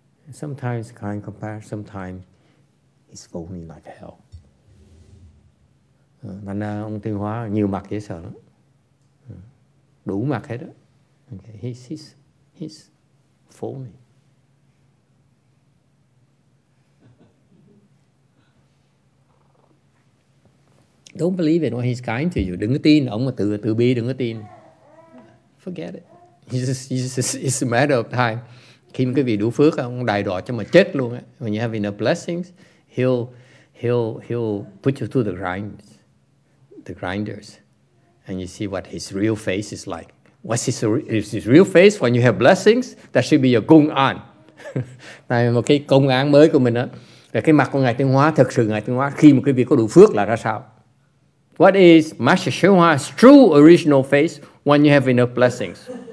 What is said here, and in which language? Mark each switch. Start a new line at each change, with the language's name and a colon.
English: Sometimes kind compassion, sometimes it's phony like hell.
Vietnamese: Thành ra ông Thiên Hóa nhiều mặt dễ sợ lắm. Đủ mặt hết đó. Okay.
English: He's phony. Don't believe it when he's kind to you.
Vietnamese: Đừng có tin, ông mà từ bi, đừng có tin.
English: Forget it. It's a matter of time.
Vietnamese: Khi mà quý vị đủ phước, ông đài đọa cho mà chết luôn á.
English: When you have enough blessings, he'll put you through the grinders. And you see what his real face is like. What's his, is his real face when you have blessings? That should be your gung an.
Vietnamese: Này một cái công án mới của mình đó. Là cái mặt của Ngài Tuyên Hóa, thực sự Ngài Tuyên Hóa khi mà quý vị có đủ phước là ra sao?
English: What is Master Xuyên Hóa's true original face when you have enough blessings?